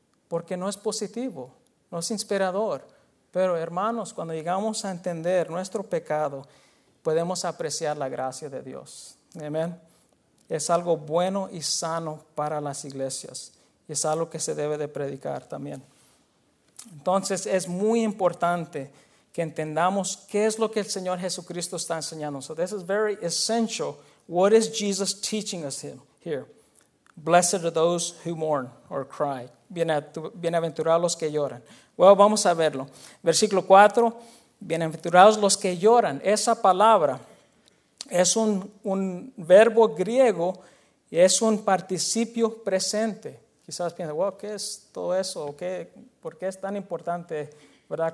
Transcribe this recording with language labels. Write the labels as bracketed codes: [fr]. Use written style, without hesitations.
[es] Porque no es positivo, no es inspirador. Pero hermanos, cuando llegamos a entender nuestro pecado, podemos apreciar la gracia de Dios. Amén. Es algo bueno y sano para las iglesias. Y es algo que se debe de predicar también. Entonces es muy importante que entendamos qué es lo que el Señor Jesucristo está enseñando. [en] So this is very essential. What is Jesus teaching us here? Blessed are those who mourn or cry. [es] Bienaventurados los que lloran. Bueno, vamos a verlo. Versículo 4. Bienaventurados los que lloran. Esa palabra es un verbo griego y es un participio presente. Quizás piensen, wow, ¿qué es todo eso? ¿Por qué es tan importante, verdad?